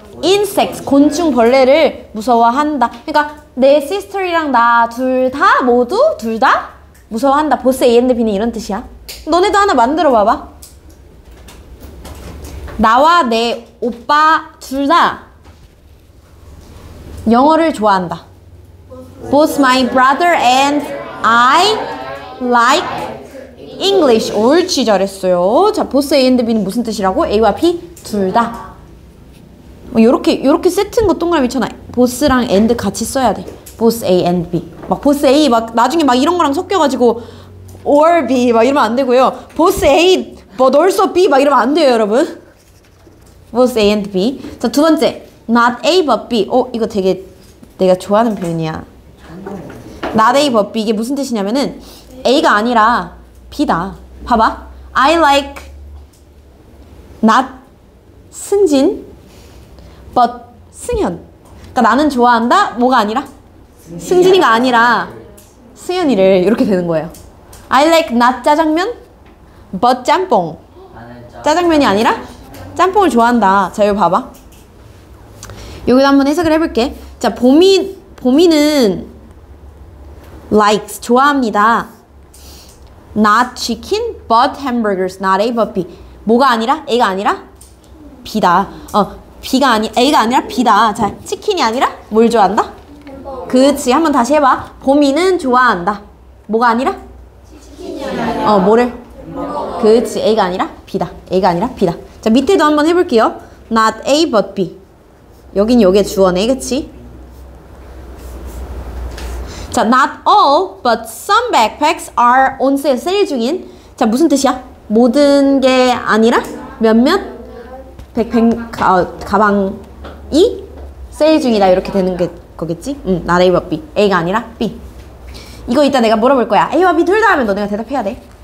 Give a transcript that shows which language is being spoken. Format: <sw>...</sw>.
<ko>Insects, 곤충, 벌레를 무서워한다. 그러니까 내 시스터리랑 나 둘 다 모두 둘 다 무서워한다. 보스 A and B는 이런 뜻이야. 너네도 하나 만들어 봐봐. 나와 내 오빠 둘 다 영어를 좋아한다.</ko> <en>Both my brother and I like English.</en> <ko>옳지, 잘했어요. 자, 보스 A and B는 무슨 뜻이라고? A와 B 둘 다. 요렇게 요렇게 세트인 거 동그라미 쳐놔. 보스랑 앤드 같이 써야 돼. 보스 A 앤드 B. 막 보스 A 막 나중에 막 이런 거랑 섞여가지고 or B 막 이러면 안 되고요. 보스 A 뭐 널서 B 막 이러면 안 돼요, 여러분. 보스 A 앤드 B. 자, 두 번째 not A but B. 어, 이거 되게 내가 좋아하는 표현이야. not A but B 이게 무슨 뜻이냐면은 A가 아니라 B다. 봐봐.</ko> <en>I like not 승진 but 승현.</en> <ko>그러니까 나는 좋아한다 뭐가 아니라 승진이가 아니라 승현이를. 이렇게 되는 거예요.</ko> <en>I like not 짜장면 but 짬뽕.</en> <ko>짜장면이 아니라 짬뽕을 좋아한다. 자, 여기 봐봐. 여기도 한번 해석을 해볼게. 자, 봄이는 likes 좋아합니다.</ko> <en>not chicken but hamburgers. not A but B.</en> <ko>뭐가 아니라 A가 아니라 B다. 비가 아니 A가 아니라 B다. 자, 치킨이 아니라 뭘 좋아한다? 그치. 한번 다시 해봐. 보미는 좋아한다. 뭐가 아니라? 치킨이야. 뭐를? 그치. A가 아니라 B다. A가 아니라 B다. 자, 밑에도 한번 해볼게요.</ko> <en>Not A but B.</en> <ko>여긴 요게 주어네. 그치?</ko> <en>자, Not all but some backpacks are on sale.</en> <ko>세일 중인. 자, 무슨 뜻이야? 모든 게 아니라 몇몇? 백팩 가방이 세일 중이다. 이렇게 되는 게 거겠지? 응, not A but B. A가 아니라 B. 이거 이따 내가 물어볼 거야. A와 B 둘 다 하면 너네가 대답해야 돼.</ko>